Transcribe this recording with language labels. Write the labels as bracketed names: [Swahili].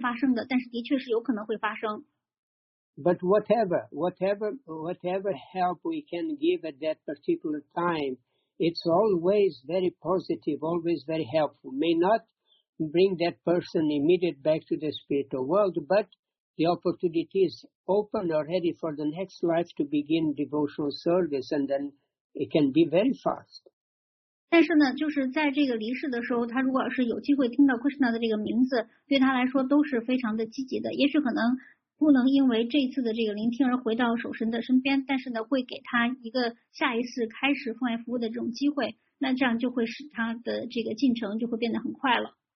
[Chinese] 但是这样的事情呢，是很罕见发生的，但是的确是有可能会发生。 [English] But whatever help we can give at that particular time, it's always very positive, always very helpful. May not bring that person immediately back to the spiritual world, but the opportunity is open already for the next life to begin devotional service, and then it can be very fast. [Chinese] 但是呢，就是在这个离世的时候，他如果是有机会听到 Krishna 的这个名字，对他来说都是非常的积极的。也许可能不能因为这一次的这个聆听而回到守身的身边，但是呢，会给他一个下一次开始奉爱服务的这种机会。那这样就会使他的这个进程就会变得很快了。